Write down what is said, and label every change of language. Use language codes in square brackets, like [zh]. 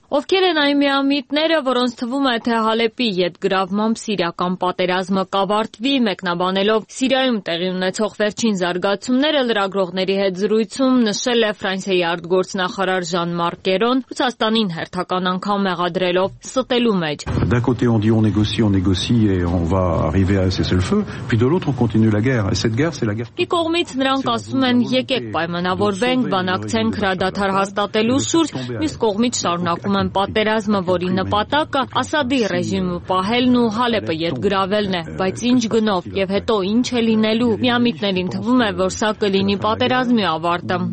[hy] Ովքեր են այն միամիտները, որոնց թվում է, թե Հալեպի ետգրավմամբ սիրական պատերազմը կավարտվի, մեկնաբանելով Սիրիայում տեղի ունեցող վերջին զարգացումները լրագրողների հետ զրույցում նշել է Ֆրանսիայի արտգործնախարար Ժան Մարկերոն, Ռուսաստանին հերթական անգամ մեղադրելով ստելու մեջ. [fr] D'un côté on dit on négocie et on va arriver à cessez le feu. feu, puis de l'autre on continue la guerre. Et cette guerre, c'est la guerre. [hy] Ի կողմից նրանք ասում են, եկեք պայմանավորվենք, բանակցենք հրադադար հաստատելու սուր, իսկ կողմից շարունակում են պատերազմը, որի նպատակը Ասադի ռեժիմը պահելն ու Հալեպը երկգրավելն է, բայց ինչ գնով եւ հետո ինչ է լինելու։ Միամիտներին թվում է, որ սա կլինի պատերազմի ավարտը,